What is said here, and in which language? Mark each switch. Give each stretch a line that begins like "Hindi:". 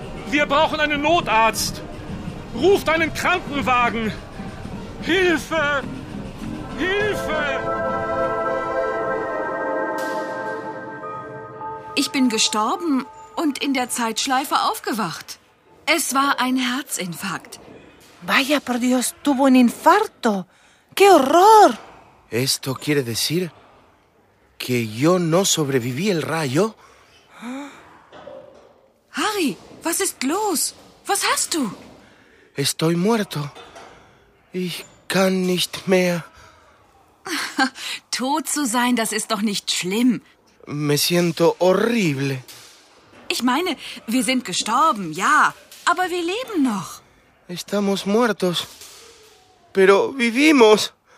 German: Wir brauchen einen Notarzt. Ruft einen Krankenwagen. Hilfe! Hilfe! Ich bin gestorben und in der Zeitschleife aufgewacht. Es war ein Herzinfarkt.
Spanish: Vaya por Dios, tuvo un infarto. ¡Qué horror! ¿Esto quiere decir que yo no sobreviví el rayo?
German: Harry, was ist los? Was hast du?
Spanish: Estoy muerto.
German: Ich kann nicht mehr. Tot zu sein, das ist doch nicht schlimm.
Spanish: Me siento horrible.
German: Ich meine, wir sind gestorben, ja, aber wir leben noch.
Spanish: Estamos muertos, pero vivimos.